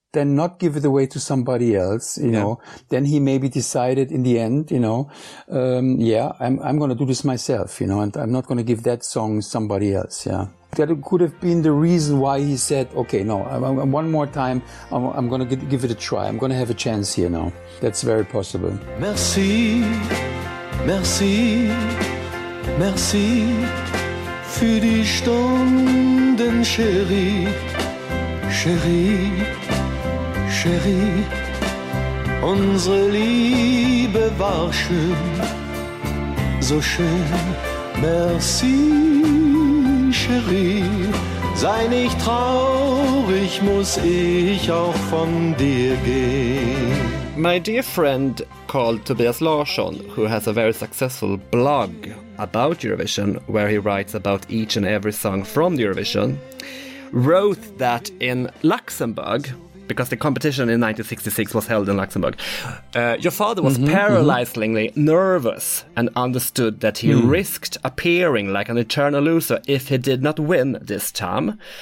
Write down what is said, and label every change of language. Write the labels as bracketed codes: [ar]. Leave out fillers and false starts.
[en] Then not give it away to somebody else, you know. Then he maybe decided in the end, you know, I'm going to do this myself, you know, and I'm not going to give that song somebody else. Yeah. That could have been the reason why he said, okay, no, I'm one more time, I'm going to give it a try. I'm going to have a chance here now. That's very possible. [de] Merci, merci, merci für die Stunden, chérie, chérie. Chérie, unsere Liebe war schön, so schön. Merci, Chérie, sei nicht traurig, muss ich auch von dir gehen. [en] My dear friend called Tobias Larsson, who has a very successful blog about Eurovision, where he writes about each and every song from Eurovision, wrote that in Luxembourg, because the competition in 1966 was held in Luxembourg, your father was paralyzingly nervous and understood that he risked appearing like an eternal loser if he did not win this time.